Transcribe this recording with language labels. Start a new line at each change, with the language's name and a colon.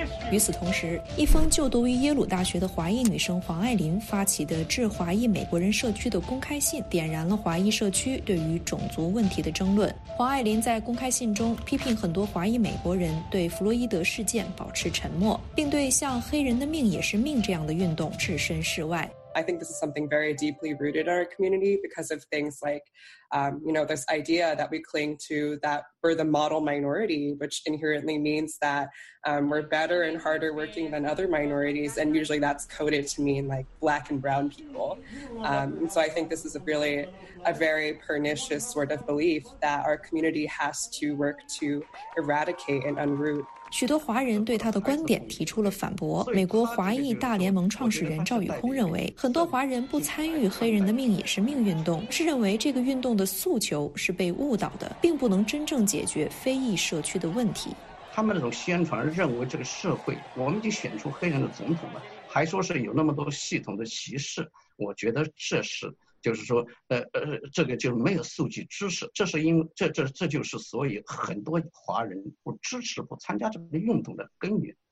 Chinese: 与此同时，一方就读于耶鲁大学的华裔女生黄爱琳发起的致华裔美国人社区的公开信，点燃了华裔社区对于种族问题的争论。黄爱琳在公开信中批评很多华裔美国人对弗洛伊德事件保持沉默，并对像黑人的命也是命这样的运动置身事外。
English: I think this is something very deeply rooted in our community because of things like, you know, this idea that we cling to that we're the model minority, which inherently means that we're better and harder working than other minorities. And usually that's coded to mean like black and brown people. And so I think this is a really a very pernicious sort of belief that our community has to work to eradicate and unroot.
Chinese: 许多华人对他的观点提出了反驳。美国华裔大联盟创始人赵宇空认为，很多华人不参与黑人的命也是命运动，是认为这个运动的诉求是被误导的，并不能真正解决非裔社区的问题。他们那种宣传认为这个社会我们就选出黑人的总统了，还说是有那么多系统的歧视，我觉得这是就是说这个就没有数据支持，这是因为这就是所以很多华人不支持不参加这个运动的根源。